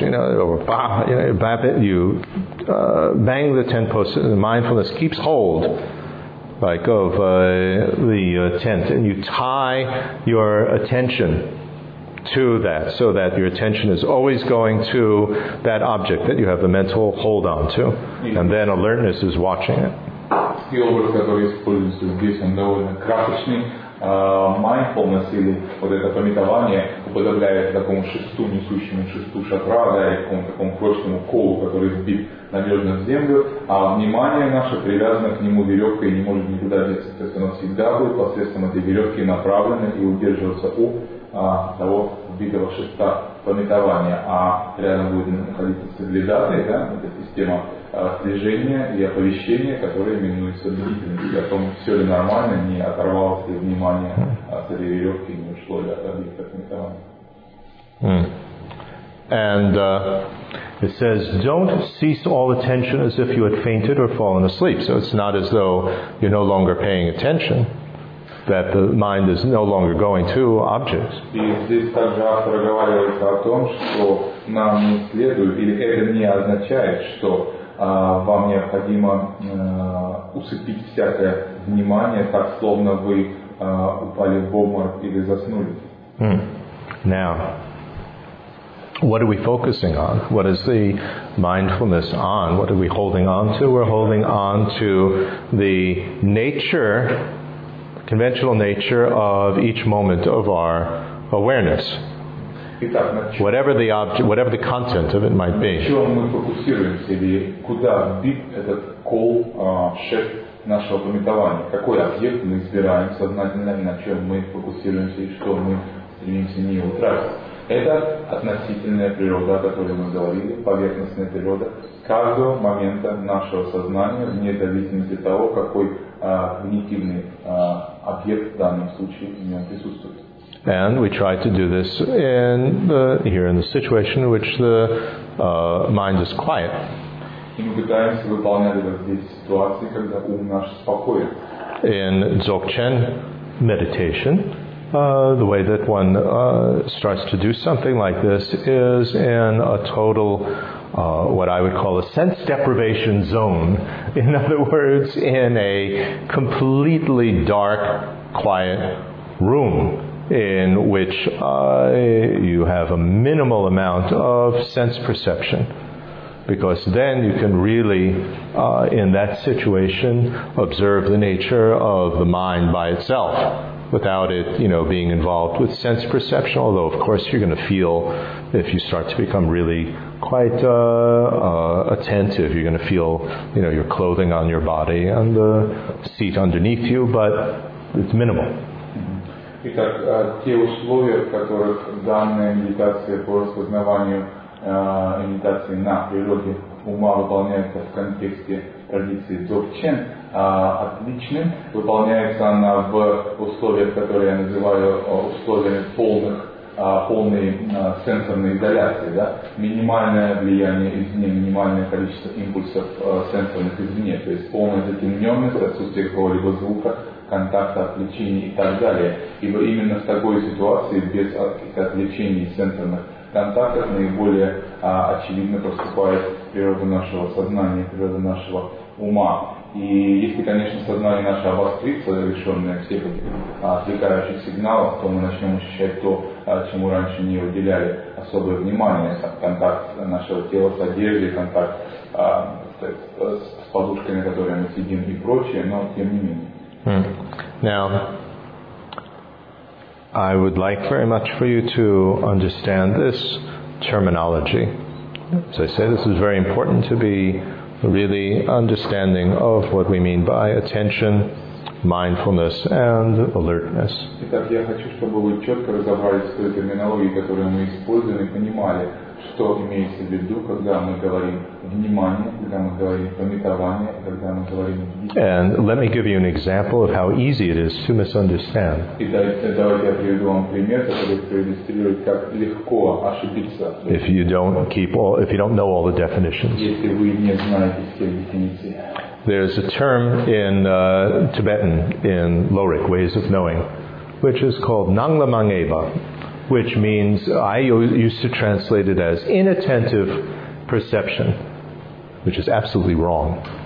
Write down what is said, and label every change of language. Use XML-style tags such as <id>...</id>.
<en>You know, or bah, you know, bap it, you bang the tent post, and mindfulness keeps hold, like of the tent, and you tie your attention to that, so that your attention is always going to that object that you have the mental hold on to, and then alertness is watching it.</en> <ru>The образ, который используется здесь, он довольно красочный. Mindfulness, или вот это пометование, уподобляет такому шесту, несущему шесту шатра, да, и такому прочному колу, который вбит надежно в землю, а внимание наше привязано к нему веревкой и не может никуда деться. То есть оно всегда будет посредством этой веревки направлено и удерживаться у того вбитого шеста пометования, а рядом будет находиться соблюдатель, да, эта система слежения и оповещения, которая именуется бдительностью, о том, все ли нормально, не оторвалось ли внимание от этой веревки, не ушло ли от объекта пометования.</ru> <en>And it says, don't cease all attention as if you had fainted or fallen asleep. So it's not as though you're no longer paying attention, that the mind is no longer going to objects.</en> <ru>И здесь также автор говорит о том, что нам не следует, или это не означает, что вам необходимо усыпить всякое внимание, так словно вы упали в обморок или заснули.</ru> <en>Now, what are we focusing on? What is the mindfulness on? What are we holding on to? We're holding on to the nature, conventional nature of each moment of our awareness.</en> <ru>Итак,</ru> <en>whatever the object, whatever the content of it might be.</en> <ru>На чем мы фокусируемся, или куда вбит этот кол, шеф нашего пометования? Какой объект мы избираем сознательно, на чем мы фокусируемся и что мы стремимся не утратить? Это относительная природа, о которой мы говорили, поверхностная природа каждого момента нашего сознания, вне зависимости от того, какой когнитивный объект в данном случае в нем присутствует.</ru> <en>And we try to do this in the, here in the situation in which the mind is quiet.</en> <ru>И мы пытаемся выполнять это здесь, в ситуации, когда ум наш спокоен.</ru> <en>In Dzogchen meditation, the way that one starts to do something like this is in a total, what I would call a sense deprivation zone. In other words, in a completely dark, quiet room in which you have a minimal amount of sense perception. Because then you can really, in that situation, observe the nature of the mind by itself, without it, you know, being involved with sense perception. Although, of course, you're going to feel, if you start to become really quite attentive, you're going to feel, you know, your clothing on your body and the seat underneath you, but it's minimal.</en> <ru>Итак, те условия, в которых данная медитация по распознаванию медитации на природе ума выполняется в контексте традиции Дзогчен отличным, выполняется она в условиях, которые я называю условиями полной сенсорной изоляции, да? Минимальное влияние извне, минимальное количество импульсов сенсорных извне, то есть полная затемненность, отсутствие какого-либо звука, контакта, отвлечений и так далее. Ибо именно в такой ситуации, без отвлечений сенсорных контактов, наиболее очевидно проступает природа нашего сознания, природа нашего ума. И если, конечно, сознание наше обострится, лишенное всех отвлекающих сигналов, то мы начнем ощущать то, чему раньше не уделяли особое внимание, контакт нашего тела с одеждой, контакт с подушкой, на которой мы сидим и прочее, но тем не менее.</ru> <en>Now, I would like very much for you to understand this terminology. As I say, this is very important to be really understanding of what we mean by attention, mindfulness, and alertness.</en> <ru>Итак, я хочу, чтобы вы четко разобрались в той терминологии, которую мы используем, и понимали, что имеется в виду, когда мы говорим внимание, когда мы говорим памятование, когда мы говорим.</ru> <en>And let me give you an example of how easy it is to misunderstand.</en> <ru>Итак, давайте я приведу вам пример, который проиллюстрирует, как легко ошибиться.</ru> <en>If you don't know all the definitions.</en> <ru>Если вы не знаете все дефиниции.</ru> <en>There's a term in Tibetan, in Lorik, ways of knowing, which is called nanglamangeba, which means, I used to translate it as inattentive perception, which is absolutely wrong.</en>